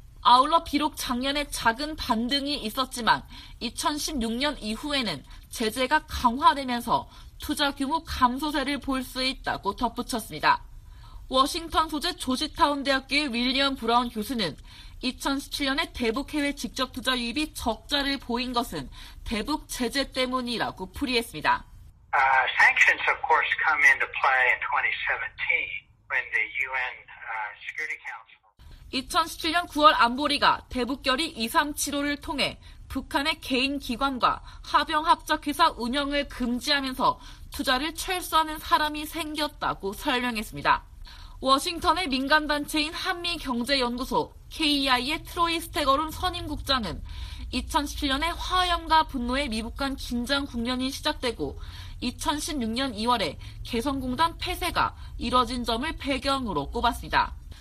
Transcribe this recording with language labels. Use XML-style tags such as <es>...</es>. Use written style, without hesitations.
<ko>아울러 비록 작년에 작은 반등이 있었지만 2016년 이후에는 제재가 강화되면서 투자 규모 감소세를 볼 수 있다고 덧붙였습니다. 워싱턴 소재 조지타운 대학교의 윌리엄 브라운 교수는 2017년에 대북 해외 직접 투자 유입이 적자를 보인 것은 대북 제재 때문이라고 풀이했습니다.</ko> <en>Sanctions of course come into play in 2017 when the UN Security Council</en> <ko>2017년 9월 안보리가 대북결의 237호를 통해 북한의 개인 기관과 합영 합작 회사 운영을 금지하면서 투자를 철수하는 사람이 생겼다고 설명했습니다. 워싱턴의 민간단체인 한미경제연구소 KEI의 트로이 스테거론 선임국장은 2017년에 화염과 분노의 미북 간 긴장 국면이 시작되고 2016년 2월에 개성공단 폐쇄가 이뤄진 점을 배경으로 꼽았습니다.</ko>